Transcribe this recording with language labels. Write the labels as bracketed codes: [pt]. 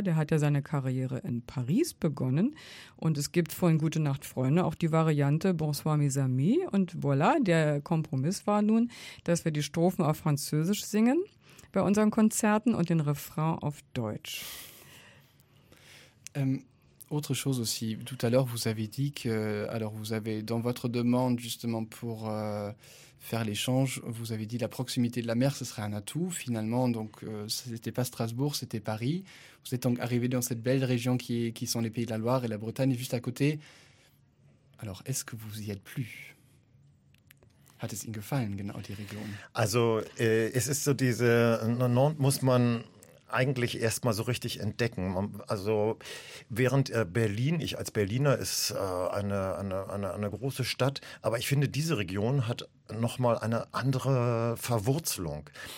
[de] Der hat ja seine Karriere in Paris begonnen. Und es gibt von Gute Nacht, Freunde auch die Variante Bonsoir, mes amis. Und voilà, der Kompromiss war nun, dass wir die Strophen auf Französisch singen bei unseren Konzerten und den Refrain auf Deutsch. [fr] Autre chose aussi, tout à l'heure vous avez dit que, alors vous avez, dans votre demande justement pour faire l'échange, vous avez dit la proximité de la mer, ce serait un atout finalement, donc c'était pas Strasbourg, c'était Paris. Vous êtes donc arrivé dans cette belle région qui sont les Pays de la Loire et la Bretagne, juste à côté. Alors est-ce que vous y êtes plus ? [de] Hat es Ihnen gefallen, genau die Region ? Also es ist so diese, muss man eigentlich erstmal so richtig entdecken. Also während Berlin, ich als Berliner, ist eine große Stadt, aber ich finde, diese Region hat nochmal eine andere Verwurzelung.